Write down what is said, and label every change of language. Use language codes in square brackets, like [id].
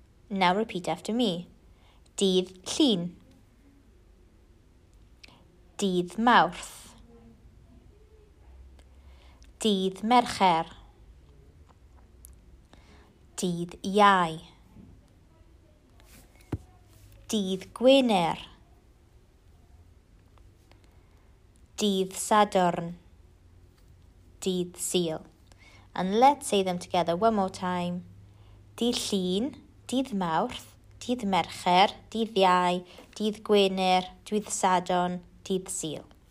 [en] Now repeat after me. [cy] Dydd Llun, Dydd Mawrth, Dydd Mercher, Dydd Iau, Dydd Gwener, Dydd Sadwrn, Dydd Sul. [en] And let's say them together one more time. [cy] Dydd Llun, Dydd Mawrth, Dydd Mercher, Dydd Iau, Dydd Gwener, Dydd Sadwrn, Dydd Sul.